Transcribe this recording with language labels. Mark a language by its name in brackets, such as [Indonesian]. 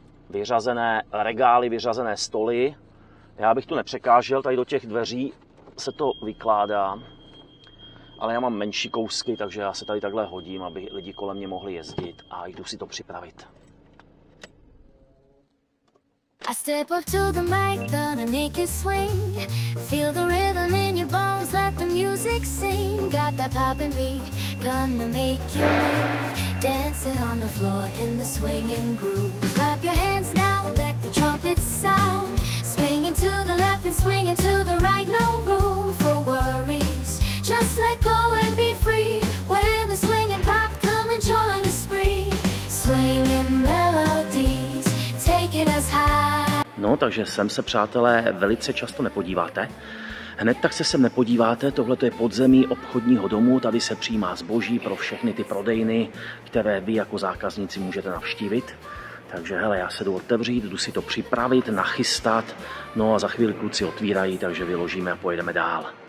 [Czech] Vyřazené regály, vyřazené stoly. Já bych tu nepřekážel, tady do těch dveří se to vykládá. Ale já mám menší kousky, takže já se tady takhle hodím, aby lidi kolem mě mohli jezdit a jdu si to připravit. [English] I step up to the mic, gonna make it swing. Feel the rhythm in your bones, let the music sing. Got that poppin' beat, gonna make you move. Dancing on the floor in the swinging groove. Clap your hands now, let the trumpet sound. Swinging to the left and swinging to the right. No room for worries, just let go and be free. When the swinging pop, come and join the spree. Swinging melodies, take it as high. [Czech] No, takže sem se, přátelé, velice často nepodíváte. Hned tak se sem nepodíváte, tohle je podzemí obchodního domu, tady se přijímá zboží pro všechny ty prodejny, které vy jako zákazníci můžete navštívit. Takže hele, já se jdu otevřít, jdu si to připravit, nachystat, no a za chvíli kluci otvírají, takže vyložíme a pojedeme dál.